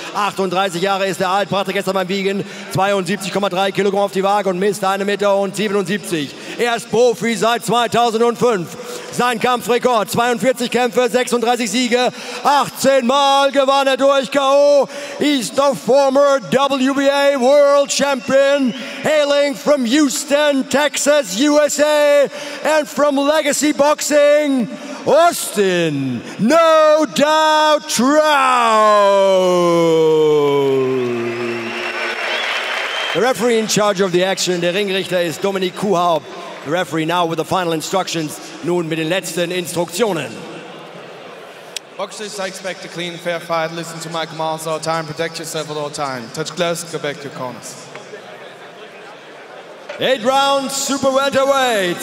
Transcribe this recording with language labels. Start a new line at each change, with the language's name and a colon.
German: 38 Jahre ist er alt, brachte gestern beim Wiegen 72,3 Kilogramm auf die Waage und misst 1,77 Meter. Er ist Profi seit 2005. Sein Kampfrekord, 42 Kämpfe, 36 Siege, 18 Mal gewann er durch K.O.
English: He's the former WBA World Champion, hailing from Houston, Texas, USA, and from Legacy Boxing, Austin, no doubt, Trout. The referee in charge of the action,
German: der Ringrichter, ist
English: Dominik Kuhhaupt. The referee now with the final instructions.
German: Nun mit den letzten Instruktionen.
English: Boxers, I expect a clean, fair fight. Listen to my commands all the time. Protect yourself at all time. Touch gloves, go back to your corners. 8 rounds, super welterweight.